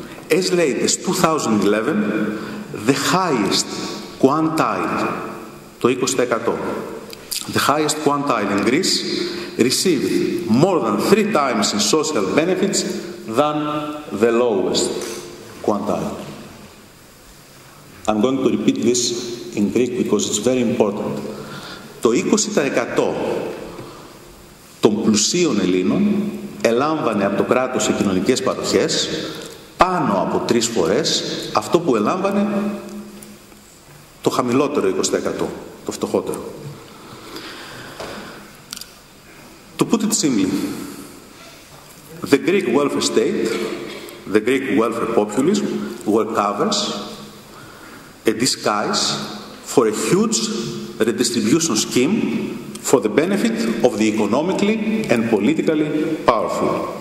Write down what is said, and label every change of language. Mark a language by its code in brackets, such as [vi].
[en] As late as 2011, the highest quantile, [el] το 20%, [en] the highest quantile in Greece, received more than 3 times in social benefits than the lowest quantile. I'm going to repeat this in Greek because it's very important. [el] Το 20% των πλουσίων Ελλήνων ελάμβανε από το κράτος σε κοινωνικές παροχές πάνω από 3 φορές αυτό που ελάμβανε το χαμηλότερο 20%. Το φτωχότερο. [en] To put it simply, the Greek welfare state, the Greek welfare populism, were covers, a disguise for a huge redistribution scheme for the benefit of the economically and politically powerful.